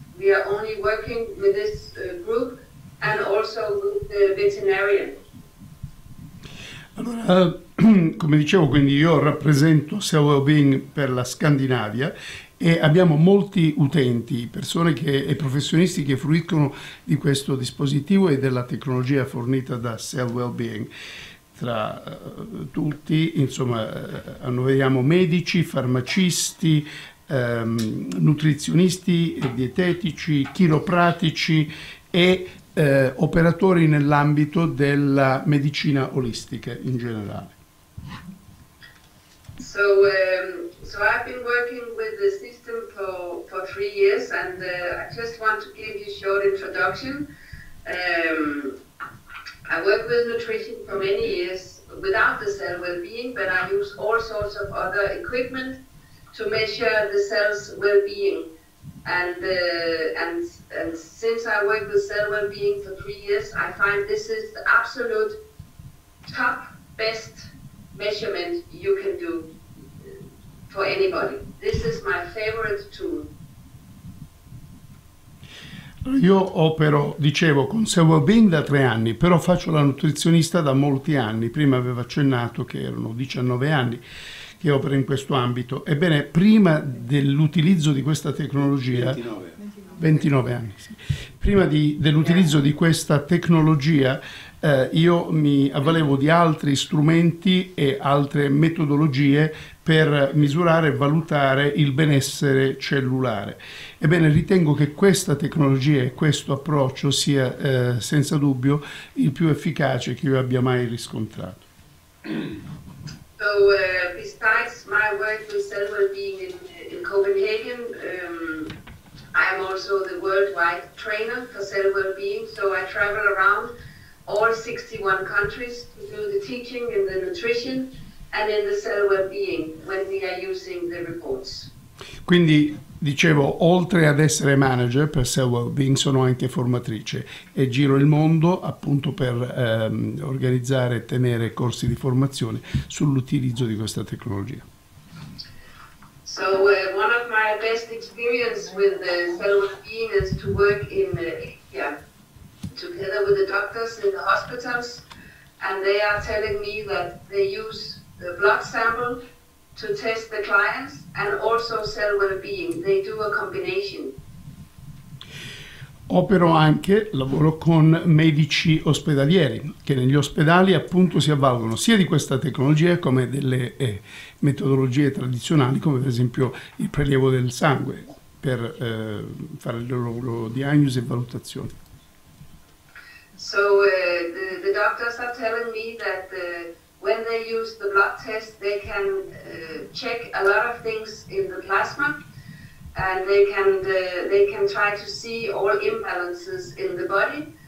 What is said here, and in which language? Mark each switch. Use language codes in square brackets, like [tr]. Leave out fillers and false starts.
[en] We are only working with this group and also with the veterinarian. [it] Allora, come dicevo, quindi io rappresento Cell Wellbeing per la Scandinavia e abbiamo molti utenti, persone e professionisti che fruiscono di questo dispositivo e della tecnologia fornita da Cell Wellbeing. Tra tutti, insomma, annoveriamo medici, farmacisti, nutrizionisti, dietetici, chiropratici e operatori nell'ambito della medicina olistica in generale. [en] So So I've been working with the system for 3 years, and I just want to give you a short introduction. I work with nutrition for many years without the cell well-being, but I use all sorts of other equipment to measure the cell's well-being. And since I work with cell well-being for 3 years, I find this is the absolute top best measurement you can do for anybody. This is my favorite tool. [it] Io opero, dicevo, con Cell Wellbeing da 3 anni, però faccio la nutrizionista da molti anni. Prima avevo accennato che erano 19 anni che opero in questo ambito. Ebbene, prima dell'utilizzo di questa tecnologia... 29 anni, sì. Prima dell'utilizzo di questa tecnologia, io mi avvalevo di altri strumenti e altre metodologie per misurare e valutare il benessere cellulare. Ebbene, ritengo che questa tecnologia e questo approccio sia senza dubbio il più efficace che io abbia mai riscontrato. [en] So, besides my work with Cell Wellbeing in Copenhagen, I am also the worldwide trainer for Cell Wellbeing, so I travel around all 61 countries to do the teaching and the nutrition and in the cell well-being when we are using the reports. [it] Quindi, dicevo, oltre ad essere manager per Cell Wellbeing, sono anche formatrice e giro il mondo appunto per organizzare e tenere corsi di formazione sull'utilizzo di questa tecnologia. [en] So, one of my best experiences with the Cell Wellbeing is to work in India together with the doctors in the hospitals, and they are telling me that they use the blood sample to test the clients and also Cell Wellbeing. They do a combination. [it] Opero anche, lavoro con medici ospedalieri, che negli ospedali appunto si avvalgono sia di questa tecnologia come delle metodologie tradizionali, come per esempio il prelievo del sangue per fare le loro diagnosi e valutazioni. [en] So the doctors are telling me that when they use the blood test, they can check a lot of things in the plasma, and they can try to see all imbalances in the body.